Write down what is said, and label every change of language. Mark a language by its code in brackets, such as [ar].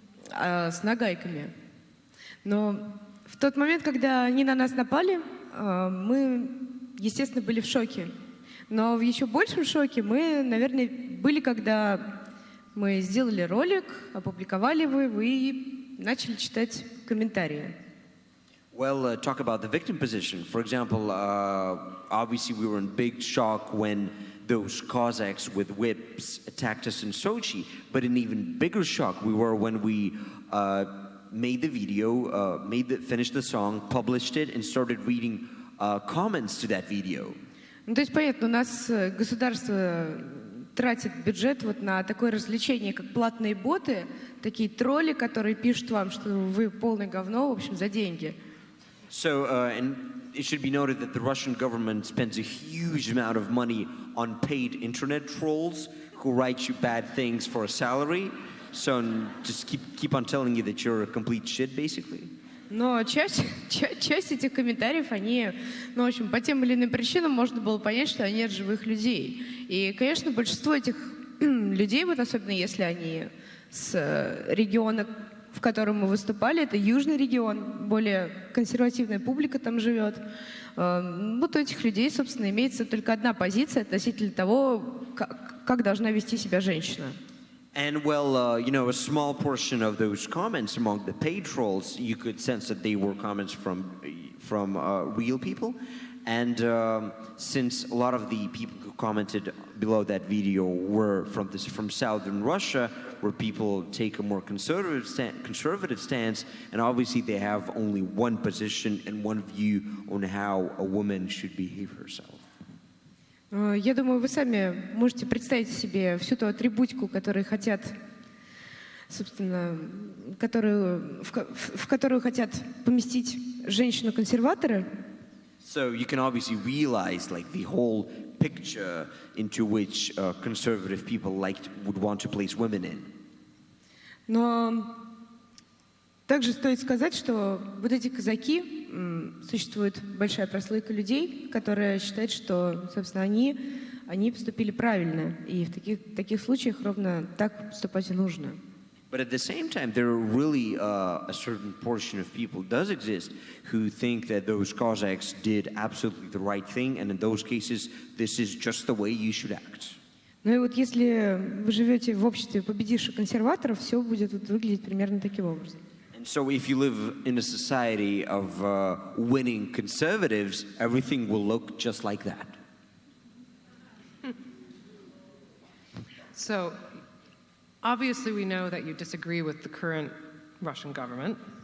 [ru] с нагайками. Но в тот момент, когда они на нас напали, мы, естественно, были в шоке. Но в еще большем шоке мы, наверное, были, когда мы сделали ролик, опубликовали его и начали читать комментарии. [en] Well, talk about the victim position. For example, obviously we were in big shock when those Cossacks with whips attacked us in Sochi. But an even bigger shock we were when we made the video, finished the song, published it, and started reading comments to that video. [ru] Ну, то есть понятно, у нас государство тратит бюджет вот на такое развлечение, как платные боты, такие тролли, которые пишут вам, что вы полное говно, в общем, за деньги. [en] So, and it should be noted that the Russian government spends a huge amount of money on paid internet trolls who write you bad things for a salary. So, just keep on telling you that you're a complete shit, basically. [ru] Но часть этих комментариев, они, ну, в общем, по тем или иным причинам можно было понять, что они от живых людей. И, конечно, большинство этих людей, вот особенно если они с региона, в котором мы выступали, это южный регион, более консервативная публика там живет. Вот у этих людей, собственно, имеется только одна позиция относительно того, как должна вести себя женщина. [en] And well, you know, a small portion of those comments among the paid trolls, you could sense that they were comments from real people. And since a lot of the people who commented below that video were from southern Russia, where people take a more conservative stance, and obviously they have only one position and one view on how a woman should behave herself. [ru] Я думаю, вы сами можете представить себе всю ту атрибутику, которую хотят, собственно, которую хотят поместить женщину-консерватора. [en] So you can obviously realize like the whole picture into which conservative people liked would want to place women in. [ru] Но также стоит сказать, что вот эти казаки, существует большая прослойка людей, которые считают, что, собственно, они поступили правильно. И в таких случаях ровно так поступать и нужно. [en] But at the same time, there are really a certain portion of people does exist who think that those Cossacks did absolutely the right thing, and in those cases, this is just the way you should act. [ru] Ну и вот если вы живете в обществе победивших консерваторов, все будет вот выглядеть примерно таким образом. [en] So if you live in a society of winning conservatives, everything will look just like that. So, obviously we know that you disagree with the current Russian government.